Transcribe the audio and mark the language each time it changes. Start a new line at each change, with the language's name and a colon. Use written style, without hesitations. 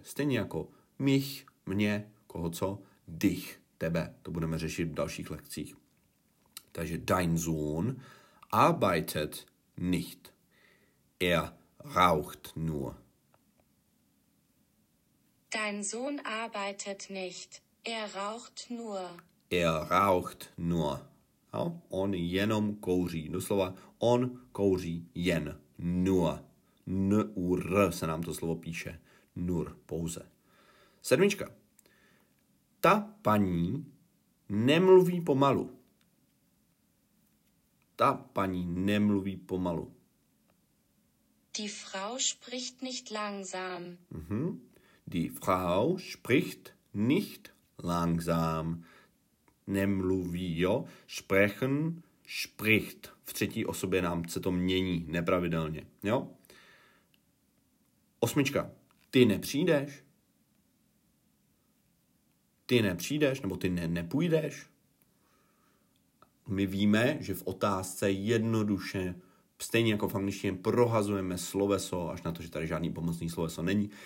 Czech: Stejně jako mich, mě, koho co, dich, tebe. To budeme řešit v dalších lekcích.
German: Takže dein Sohn arbeitet nicht. Er raucht nur. Dein Sohn arbeitet nicht. Er raucht nur. Er raucht nur. Ja?
Czech: On jenom kouří. Doslova on kouří jen nur. N-U-R se nám to slovo píše. Nur, pouze. Sedmička. Ta paní nemluví pomalu. Ta paní nemluví pomalu.
German: Die Frau spricht nicht langsam. Die Frau spricht nicht langsam.
Czech: Nemluví, jo? Sprechen, spricht. V třetí osobě nám se to mění nepravidelně, jo? Osmička. Ty nepřijdeš? Ty nepřijdeš, nebo ty nepůjdeš? My víme, že v otázce jednoduše, stejně jako v angličtině, prohazujeme sloveso, až na to, že tady žádný pomocný sloveso není.